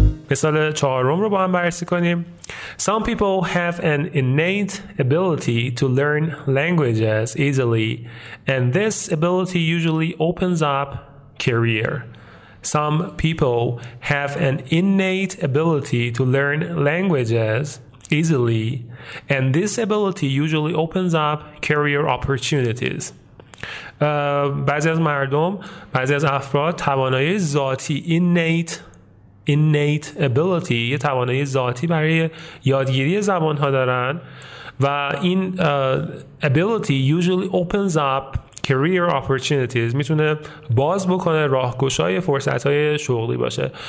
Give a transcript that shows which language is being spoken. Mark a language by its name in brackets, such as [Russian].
[Persian] مثال چهارم رو با هم بررسی کنیم. [English] Some people have an innate ability to learn languages easily, and this ability usually opens up career. Some people have an innate ability to learn languages easily, and this ability usually opens up career opportunities. [Persian] بعضی از مردم، بعضی از افراد توانایی ذاتی [English] innate ability، [Persian] یه توانایی ذاتی برای یادگیری زبان ها دارن و این [English] ability usually opens up career opportunities، [Persian] میتونه باز بکنه راهگشای فرصت های شغلی باشه.